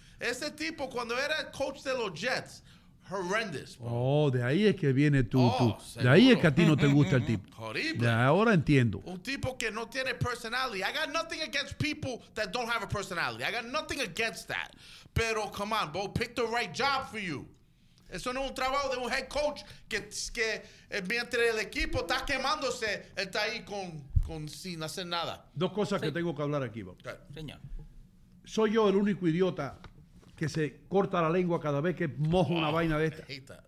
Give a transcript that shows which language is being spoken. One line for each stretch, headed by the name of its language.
Spanish: Ese tipo, cuando era el coach de los Jets, horrendous. Oh, de ahí es que viene tú. De ahí es que a ti no te gusta el tipo. Horrible. Ahora entiendo. Un tipo que no tiene personality.
English: I got nothing against people that don't have a personality. I got nothing against that. Pero, come on, bro, pick the right job for you.
Spanish: Eso no es un trabajo de un head coach que mientras el equipo está quemándose, está ahí con sin hacer nada. Dos cosas que tengo que hablar aquí, bro. Okay. Señor. Soy yo el único idiota que se corta la lengua cada vez que mojo una vaina de esta.